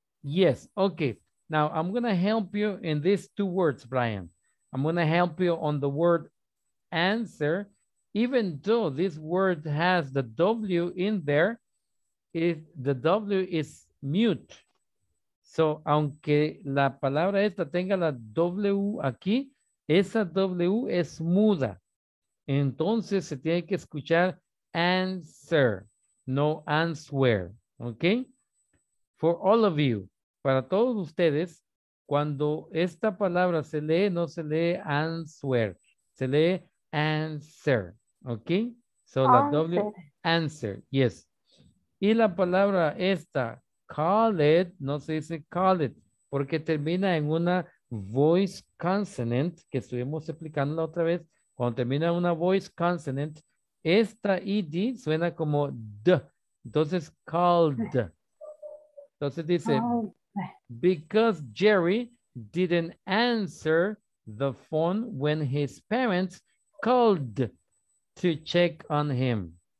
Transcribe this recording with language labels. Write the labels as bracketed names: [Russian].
[English] Yes, okay. Now I'm gonna help you in these two words, Brian. I'm gonna help you on the word answer. Even though this word has the W in there, if the W is mute. [Spanish] So, aunque la palabra esta tenga la W aquí, esa W es muda. Entonces, se tiene que escuchar answer, no answer. Okay? [English] For all of you, [Spanish] para todos ustedes, cuando esta palabra se lee, no se lee answer, se lee answer. [English] Okay, so la W answer, yes. [Spanish] Y la palabra esta, call it, no se dice call it, porque termina en una voice consonant, que estuvimos explicando la otra vez. Cuando termina en una voice consonant, esta ED suena como D, entonces called. Entonces dice, [English] because Jerry didn't answer the phone when his parents called to check on him.